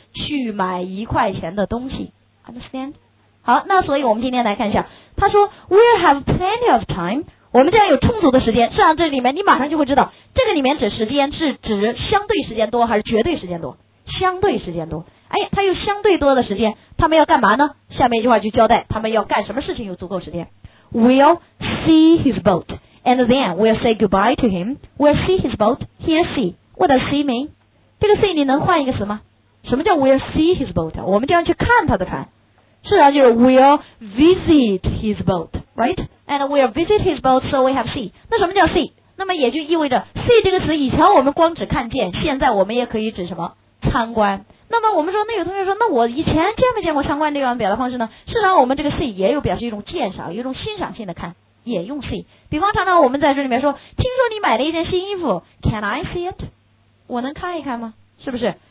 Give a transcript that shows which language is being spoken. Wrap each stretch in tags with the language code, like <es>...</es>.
<zh>去买一块钱的东西。Understand? 好，那所以我们今天来看一下，他说</zh> <en>We have plenty of time.</en> <zh>我们这样有充足的时间，实际上这里面你马上就会知道，这个里面指时间是指相对时间多还是绝对时间多？相对时间多。哎，他有相对多的时间，他们要干嘛呢？下面一句话就交代他们要干什么事情有足够时间。</zh> <en>We'll see his boat, and then we'll say goodbye to him. We'll see his boat. Here, see. What does see mean?</en> <zh>这个 see 你能换一个词吗？什么叫</zh> <en>we'll see his boat?</en> <zh>我们这样去看他的船。事实上就是</zh> <en>we'll visit his boat, right? And we'll visit his boat, so we have see.</en> <zh>那什么叫 see? 那么也就意味着 see 这个词以前我们光只看见，现在我们也可以指什么？参观。那么我们说，那有同学说，那我以前见没见过参观这样表达方式呢？事实上我们这个 see 也有表示一种鉴赏，一种欣赏性的看，也用 see。比方常常我们在这里面说，听说你买了一件新衣服，</zh> <en>Can I see it?</en> <zh>我能看一看吗？是不是？</zh>